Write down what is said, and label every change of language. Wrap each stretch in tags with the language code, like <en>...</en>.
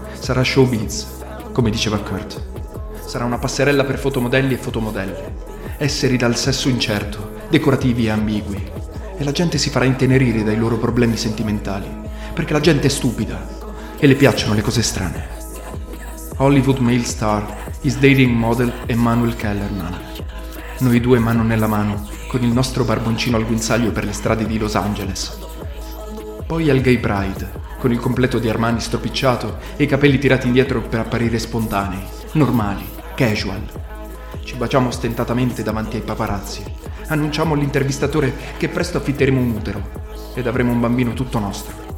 <it>Sarà showbiz, come diceva Kurt. Sarà una passerella per fotomodelli e fotomodelle. Esseri dal sesso incerto, decorativi e ambigui. E la gente si farà intenerire dai loro problemi sentimentali. Perché la gente è stupida e le piacciono le cose strane.</it> <en>Hollywood male star is dating model Emmanuel Kellerman.</en> <it>Noi due mano nella mano, con il nostro barboncino al guinzaglio per le strade di Los Angeles. Poi al Gay Pride. Con il completo di Armani stropicciato e i capelli tirati indietro per apparire spontanei, normali, casual. Ci baciamo ostentatamente davanti ai paparazzi. Annunciamo all'intervistatore che presto affitteremo un utero ed avremo un bambino tutto nostro.</it>